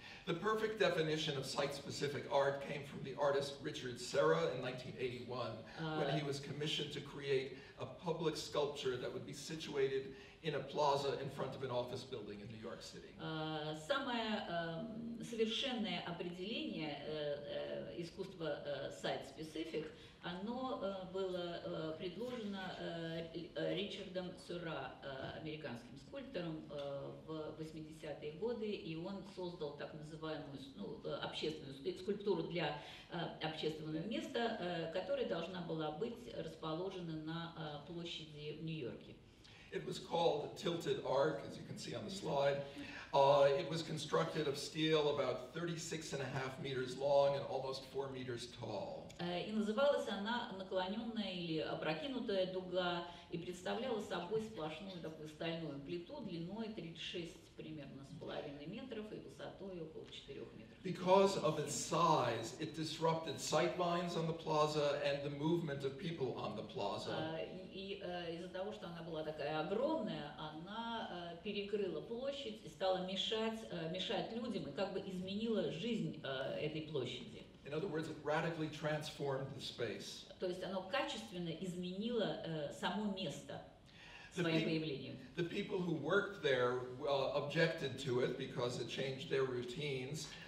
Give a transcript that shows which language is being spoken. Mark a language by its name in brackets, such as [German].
[English] The perfect definition of site-specific art came from the artist Richard Serra in 1981, when he was commissioned to create a public sculpture that would be situated in a plaza in front of an office building in New York City. [Russian] Самое совершенное определение искусства site-specific, оно было предложено Ричардом Сюра, американским скульптором, в 80-е годы, и он создал так называемую общественную скульптуру для общественного места, которая должна была быть расположена на площади в Нью-Йорке. [English] It was called a tilted arc, as you can see on the slide. It was constructed of steel about 36.5 meters long and almost 4 meters tall. [Russian] И называлась она наклоненная или опрокинутая дуга и представляла собой сплошную такую стальную плиту длиной 36 примерно с половиной метров и высотой около 4 метров. [English] Because of its size, it disrupted sight lines on the plaza and the movement of people on the plaza. [Russian] Из-за того, что она была такая огромная, она перекрыла площадь и стала мешать людям и как бы изменила жизнь этой площади. [English] In other words, it radically transformed the space. [Russian] То есть оно качественно изменило само место своим появлением. [English] The people who worked there objected to it because it changed their routines.